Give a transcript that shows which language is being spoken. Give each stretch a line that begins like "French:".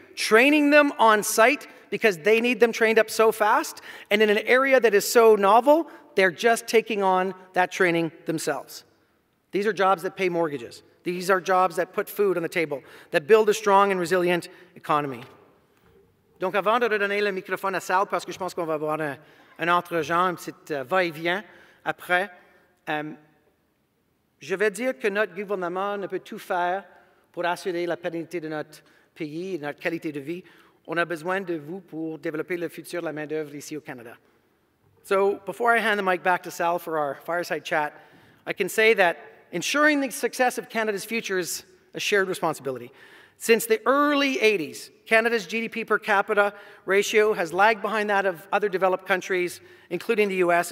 English: Training them on site, because they need them trained up so fast, and in an area that is so novel, they're just taking on that training themselves. These are jobs that pay mortgages. These are jobs that put food on the table, that build a strong and resilient economy.
French: Donc avant de redonner le microphone à Sal, parce que je pense qu'on va avoir un autre genre, un petit va-et-vient après, je vais dire que notre gouvernement ne peut tout faire pour assurer la pérennité de notre pays et notre qualité de vie. On a besoin de vous pour développer le futur de la main-d'œuvre ici au Canada.
English: So before I hand the mic back to Sal for our fireside chat, I can say that ensuring the success of Canada's future is a shared responsibility. Since the early 80s, Canada's GDP per capita ratio has lagged behind that of other developed countries, including the US.